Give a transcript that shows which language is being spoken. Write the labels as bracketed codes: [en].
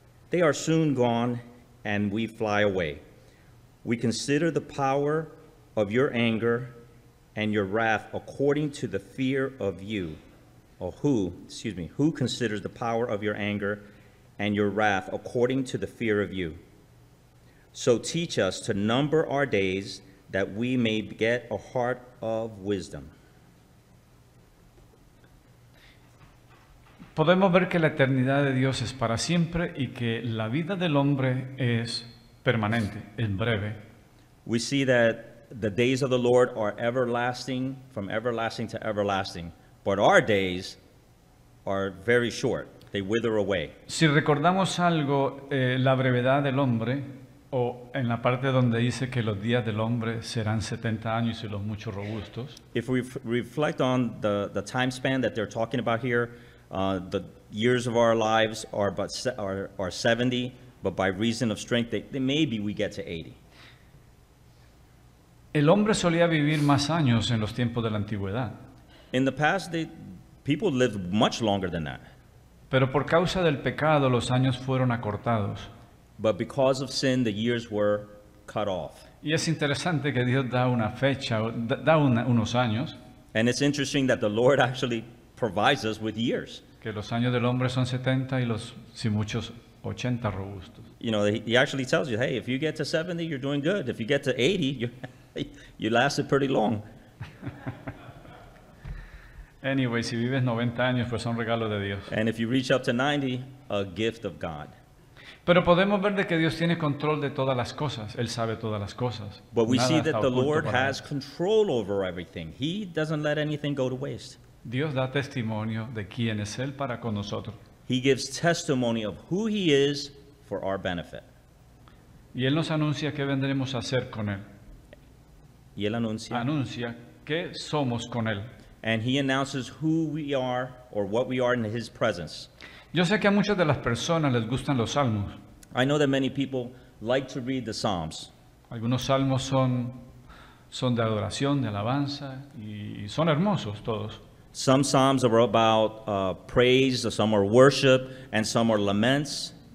[en] They are soon gone, and we fly away. We consider the power of your anger and your wrath according to the fear of you. Who considers the power of your anger and your wrath according to the fear of you? So teach us to number our days that we may get a heart of wisdom. [es] Podemos ver que la eternidad de Dios es para siempre y que la vida del hombre es permanente, es breve. [en] We see that The days of the Lord are everlasting, from everlasting to everlasting. But our days are very short. They wither away. [es] Si recordamos algo, la brevedad del hombre, o en la parte donde dice que los días del hombre serán 70 años y los muchos robustos. [en] If we reflect on the time span that they're talking about here, the years of our lives are 70, but by reason of strength, they maybe we get to 80. [es] El hombre solía vivir más años en los tiempos de la antigüedad. [en] In the past, people lived much longer than that. [es] Pero por causa del pecado, los años fueron acortados. [en] But because of sin, the years were cut off. [es] Y es interesante que Dios da una fecha, da unos años. [en] And it's interesting that the Lord actually provides us with years. [es] Que los años del hombre son 70 y los, si muchos, 80 robustos. [en] You know, he actually tells you, hey, if you get to 70, you're doing good. If you get to 80, you lasted pretty long. [es] Anyway, si vives 90 años, pues son regalo de Dios. [en] And if you reach up to 90, a gift of God. [es] Pero podemos ver de que Dios tiene control de todas las cosas. Él sabe todas las cosas. [en] But we see that the Lord has control over everything. He doesn't let anything go to waste. [es] Dios da testimonio de quién es Él para con nosotros. [en] He gives testimony of who He is for our benefit. [es] Y Él nos anuncia qué vendremos a hacer con Él. Y Él anuncia. Anuncia qué somos con Él. [en] And He announces who we are or what we are in His presence. [es] Yo sé que a muchas de las personas les gustan los salmos. [en] I know that many people like to read the Psalms. [es] Algunos salmos son de adoración, de alabanza, y son hermosos todos. [en] Some psalms are about praise, some are worship, and some are laments.